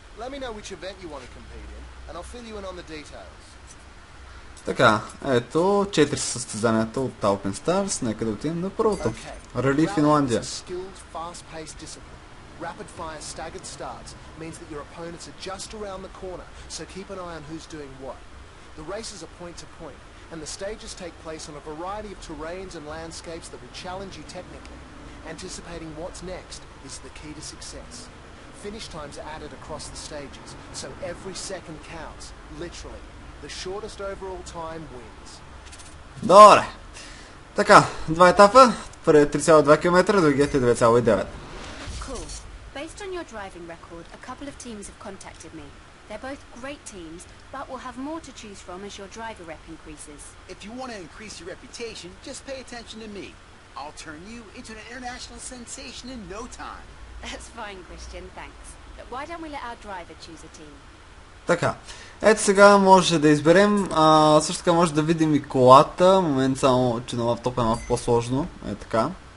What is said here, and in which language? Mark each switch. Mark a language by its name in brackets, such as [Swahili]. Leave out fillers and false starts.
[English] Let me know which event you want to compete in, and I'll fill you in on the details. [Bulgarian] Така, ето, четири са състезанията от Alpine Stars, нека да отидем на първото. [English] Рали Финландия. Rally is a skilled, fast-paced discipline. Rapid fire staggered starts means that your opponents are just around the corner, so keep an eye on who's doing what. The races are point to point, and the stages take place on a variety of terrains and landscapes that will challenge you technically. Anticipating what's next is the key to success. Finish times are added across the stages, so every second counts, literally. The shortest overall time wins. Добре. [Bulgarian] Така, два етапа. Първият е 3,2 км, другият е 2,9. Cool. [English] Based on your driving record, a couple of teams have contacted me. They're both great teams, but will have more to choose from as your driver rep increases. If you want to increase your reputation, just pay attention to me. I'll turn you into an international sensation in no time. That's fine, Christian, thanks. But why don't we let our driver choose a team? [Bulgarian] Така, ето сега може да изберем, също така може да видим и колата, момент само, че на лаптоп е малко по-сложно, е така.